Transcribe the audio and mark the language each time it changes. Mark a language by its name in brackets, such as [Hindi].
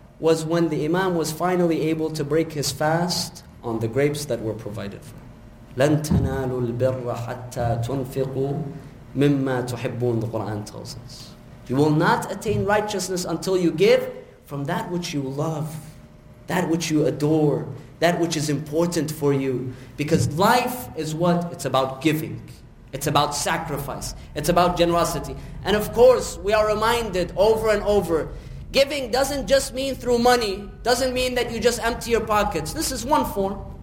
[English] Was when the Imam was finally able to break his fast on the grapes that were provided for him. [Arabic] لَن تَنَالُوا الْبِرَّ حَتَّى تُنْفِقُوا مِمَّا تُحِبُّونَ [English] The Quran tells us. You will not attain righteousness until you give from that which you love, that which you adore, that which is important for you. Because life is what? It's about giving. It's about sacrifice. It's about generosity. And of course, we are reminded over and over, giving doesn't just mean through money, doesn't mean that you just empty your pockets. This is one form.